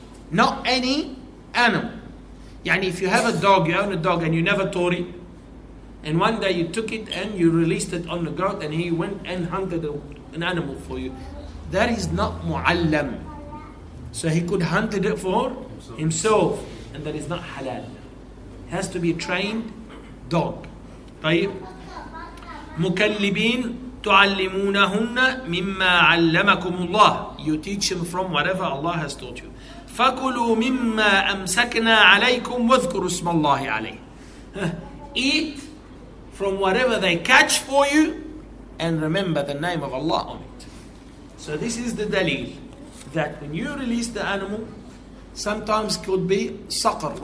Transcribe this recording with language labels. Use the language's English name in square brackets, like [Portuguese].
[English] Not any animal. [Arabic] يعني [English] if you have a dog, you own a dog and you never taught it, and one day you took it and you released it on the ground and he went and hunted an animal for you, That is not mu'allam. So he could hunt it for himself, and that is not halal. It has to be a trained dog. [Arabic] طيب مكلبين تعلمونهن مما علمكم الله. [English] You teach him from whatever Allah has taught you. [Arabic] فَكُلُوا مِمَّا أَمْسَكْنَا عَلَيْكُمْ وَذْكُرُوا اسْمَ اللَّهِ عَلَيْهِ. [English] Eat from whatever they catch for you and remember the name of Allah on it. So this is the dalil that when you release the animal, sometimes could be saqr.